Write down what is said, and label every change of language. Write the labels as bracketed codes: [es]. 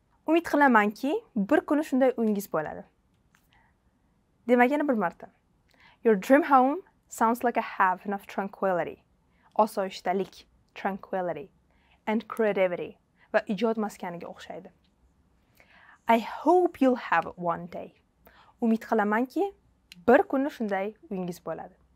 [uz] Umid qilamanki, bir kuni shunday uyingiz bo'ladi. Demak, yana bir marta. [en] Your dream home sounds like a heaven of tranquility. [uz] Osoyishtalik, [en] tranquility and creativity [uz] va ijod maskaniga o'xshaydi. [en] I hope you'll have it one day. [uz] Umid qilamanki, bir kuni shunday uyingiz bo'ladi.